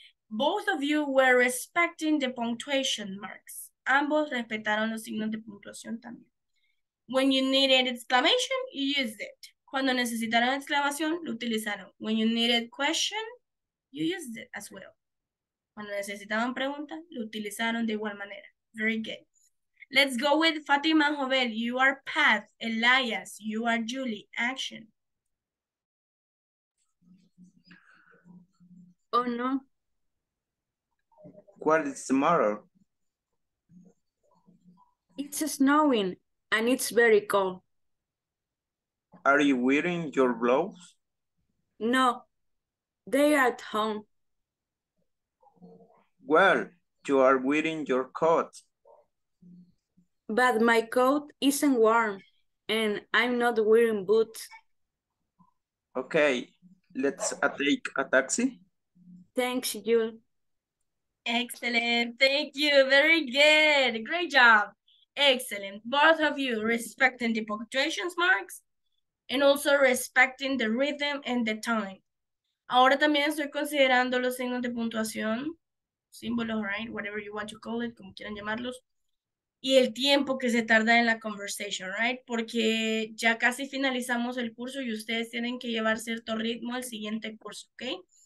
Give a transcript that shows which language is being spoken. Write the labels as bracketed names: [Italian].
[English] Both of you were respecting the punctuation marks. [Spanish] Ambos respetaron los signos de puntuación también. [English] When you needed exclamation, you used it. [Spanish] Cuando necesitaron exclamación, lo utilizaron. [English] When you needed question, you used it as well. [Spanish] Cuando necesitaban pregunta, lo utilizaron de igual manera. [English] Very good. Let's go with Fatima Jovel. You are Pat. Elias, you are Julie. Action. Oh, no. What is tomorrow? It's snowing and it's very cold. Are you wearing your gloves? No. They are at home. Well, you are wearing your coat. But my coat isn't warm, and I'm not wearing boots. Okay, let's take a taxi. Thanks, Jul. Excellent, thank you, very good. Great job, excellent. Both of you respecting the punctuation marks and also respecting the rhythm and the time. [Spanish] Ahora también estoy considerando los signos de puntuación, símbolos, [English] right? Whatever you want to call it, [Spanish] como quieran llamarlos, y el tiempo que se tarda en la [English] conversation, right? [Spanish] Porque ya casi finalizamos el curso y ustedes tienen que llevar cierto ritmo al siguiente curso, okay?